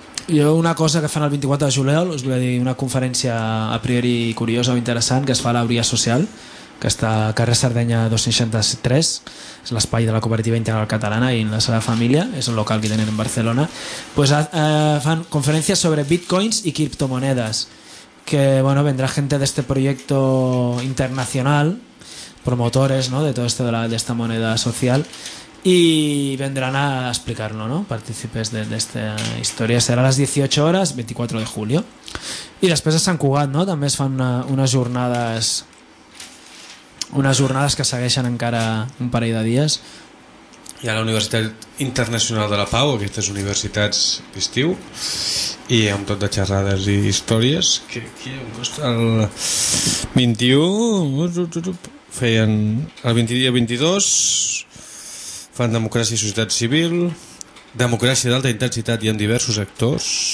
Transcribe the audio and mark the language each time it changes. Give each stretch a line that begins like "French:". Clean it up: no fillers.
Catalan: Jo una cosa que fan el 24 de juliol, us vull dir, una conferència a priori curiosa o interessant, que es fa a l'Auria Social, que està a carrer Sardenya 263, és l'espai de la cooperativa integral catalana i la seva família, és el local que tenen en Barcelona, pues, fan conferències sobre bitcoins i criptomonedes,
Spanish: que bueno, vendrá gente de este proyecto internacional, promotores, ¿no?, de todo esto de esta moneda social, y vendrán a explicarlo, ¿no? Partícipes de esta historia. Será a las 18 horas, 24 de julio. Y después a Sant Cugat, ¿no?, también
Catalan: se fan unas jornadas que segueixen encara un parell de dies. Hi ha la Universitat Internacional de la Pau, aquestes universitats d'estiu, i amb tot de xerrades i històries, que em costa el 21, feien el 20 dia 22, fan democràcia i societat civil, democràcia d'alta intensitat i en diversos actors,